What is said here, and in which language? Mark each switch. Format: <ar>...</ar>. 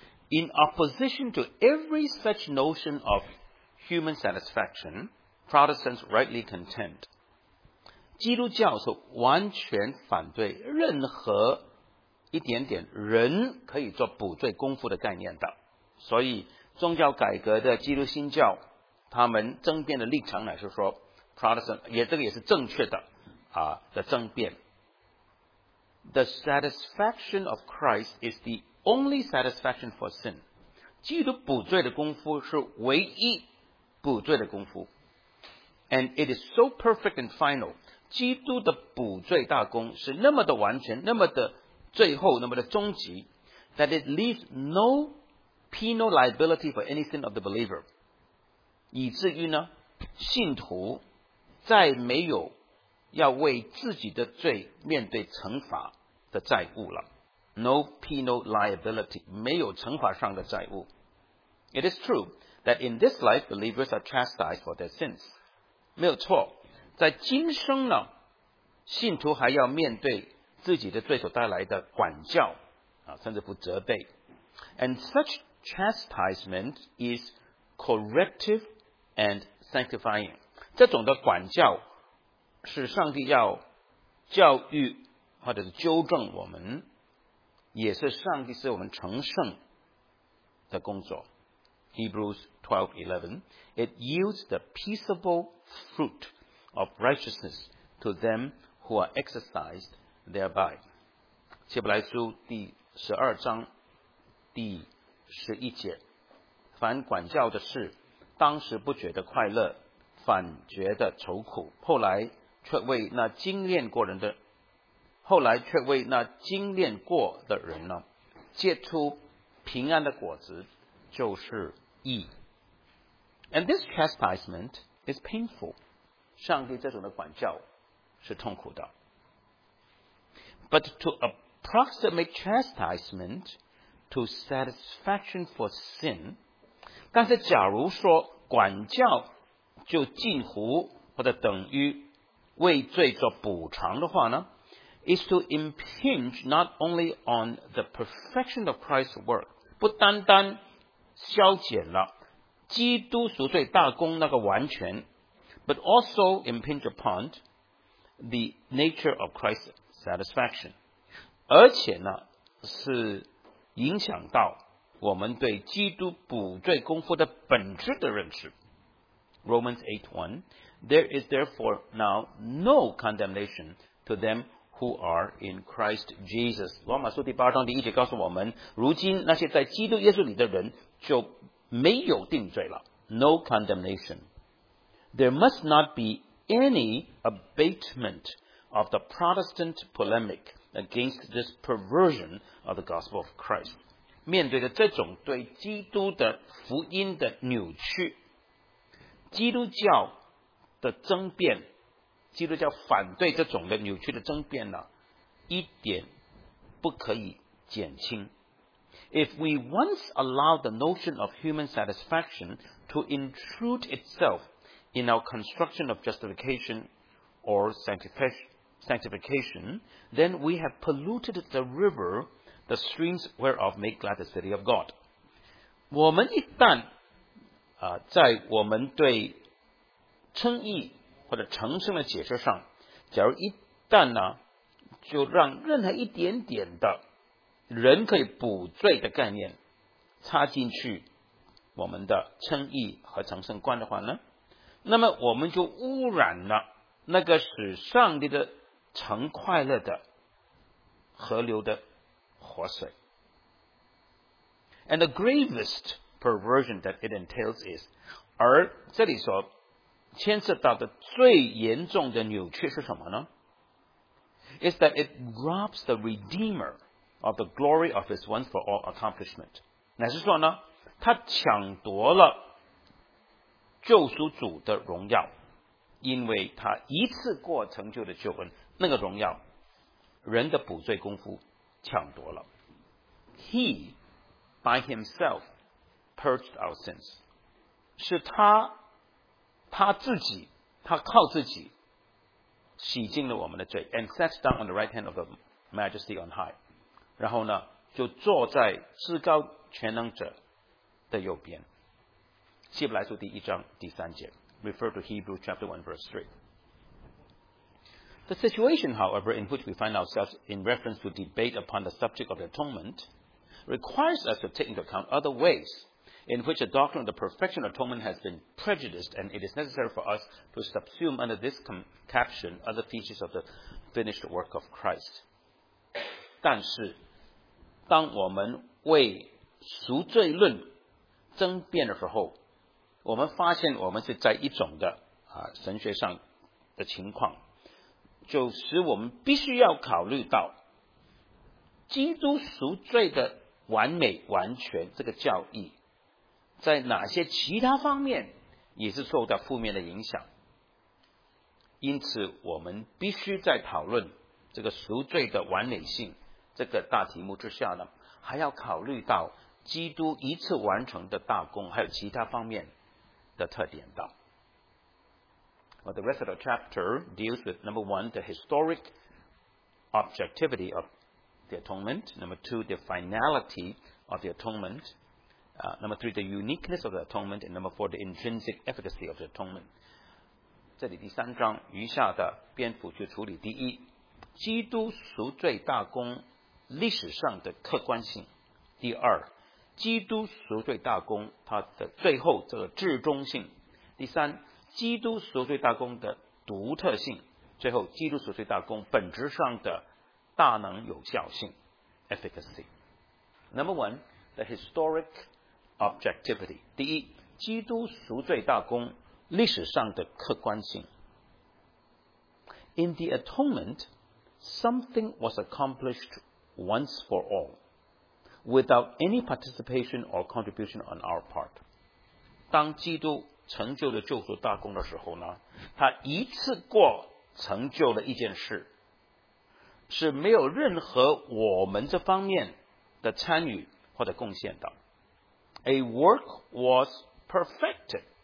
<en>In opposition to every such notion of human satisfaction, Protestants rightly contend,</en> <zh>基督教是完全反对任何一点点人可以做补罪功夫的概念的。所以宗教改革的基督新教他们争辩的立场乃是说 Protestant 也这个也是正确的啊的争辩。</zh> <en>The satisfaction of Christ is the only satisfaction for sin.</en> <zh>基督补罪的功夫是唯一补罪的功夫。</zh> <en>And it is so perfect and final.</en> <zh>基督的补罪大功是那么的完全，那么的最后，那么的终极。</zh> <en>That it leaves no penal liability for any sin of the believer.</en> <zh>以至于呢，信徒再没有要为自己的罪面对惩罚的债务了。</zh> <en>No penal liability,</en> <zh>没有惩罚上的债务。</zh> <en>It is true that in this life, believers are chastised for their sins.</en> <zh>没有错，在今生呢，信徒还要面对自己的罪所带来的管教，甚至不责备。</zh> <en>And such chastisement is corrective and sanctifying.</en> <zh>这种的管教是上帝要教育或者是纠正我们，也是上帝使我们成圣的工作。</zh> <en>Hebrews 12:11, it yields the peaceable fruit of righteousness to them who are exercised thereby.</en> <zh>希伯来书第十二章第十一节，凡管教的事，当时不觉得快乐，反觉得愁苦，后来却为那经验过人的，后来却为那经验过的人呢，结出平安的果子，就是义。</zh> <en>And this chastisement is painful.</en> <zh>上帝这种的管教是痛苦的。</zh> <en>But to approximate chastisement to satisfaction for sin,</en> <zh>但是假如说管教就近乎或者等于为罪做补偿的话呢，</zh> <en>is to impinge not only on the perfection of Christ's work,</en> <zh>不单单消减了基督赎罪大功那个完全，</zh> <en>but also impinge upon the nature of Christ's satisfaction,</en> <zh>而且呢是影响到我们对基督补罪功夫的本质的认识。</zh> <en>Romans 8:1,There is therefore now no condemnation to them who are in Christ Jesus.</en> <zh>罗马书第八章第一节告诉我们，如今那些在基督耶稣里的人就没有定罪了。</zh> <en>No condemnation. There must not be any abatement of the Protestant polemic against this perversion of the gospel of Christ.</en> <zh>面对着这种对基督的福音的扭曲，基督教的争辩，基督教反对这种的扭曲的争辩呢，一点不可以减轻。</zh> <en>If we once allow the notion of human satisfaction to intrude itself in our construction of justification or sanctification, then we have polluted the river, the streams whereof make glad the city of God.</en> <zh>我们一旦在我们对称义或者成圣的解释上，假如一旦呢，就让任何一点点的人可以补罪的概念插进去我们的称义和成圣观的话呢，那么我们就污染了那个使上帝的成快乐的河流的活水。</zh> <en>And the gravest perversion that it entails is.</en> <zh>而这里所牵涉到的最严重的扭曲是什么呢？</zh> <en>Is that it robs the Redeemer of the glory of his once for all accomplishment.</en> <zh>乃是说呢，他抢夺了救赎主的荣耀，因为他一次过成就的救恩，那个荣耀人的补罪功夫抢夺了。</zh> <en>He by himself purged our sins.</en> <zh>是他自己，他靠自己洗净了我们的罪。</zh> <en>And sat down on the right hand of the majesty on high.</en> <zh>然后呢，就坐在至高全能者的右边。希伯来书第一章第三节，</zh> <en>Refer to Hebrew chapter 1 verse 3. The situation, however, in which we find ourselves in reference to debate upon the subject of atonement requires us to take into account other ways in which the doctrine of the perfection of atonement has been prejudiced, and it is necessary for us to subsume under this caption other features of the finished work of Christ.</en> <zh>但是当我们为赎罪论争辩的时候，我们发现我们是在一种的神学上的情况，就使我们必须要考虑到基督赎罪的完美完全这个教义在哪些其他方面也是受到负面的影响。因此我们必须在讨论这个赎罪的完美性这个大题目之下呢，还要考虑到基督一次完成的大功还有其他方面的特点到。</zh> <en>Well, the rest of the chapter deals with, number one, the historic objectivity of the atonement. Number two, the finality of the atonement. Number three, the uniqueness of the atonement. And number four, the intrinsic efficacy of the atonement.</en> <zh>这里第三章余下的篇幅去处理第一，基督赎罪大功历史上的客观性。第二，基督赎罪大功它的最后这个至终性。第三，基督赎罪大功的独特性，最后基督赎罪大功本质上的大能有效性 efficacy.</zh> <en>Number one, the historic objectivity.</en> <zh>第一，基督赎罪大功历史上的客观性。</zh> <en>In the atonement, something was accomplished once for all, without any participation or contribution on our part.</en> <zh>当基督成就了救赎大功的时候呢，他一次过成就了一件事，是没有任何我们这方面的参与或者贡献的。</zh> <en>A work was perfected.</en>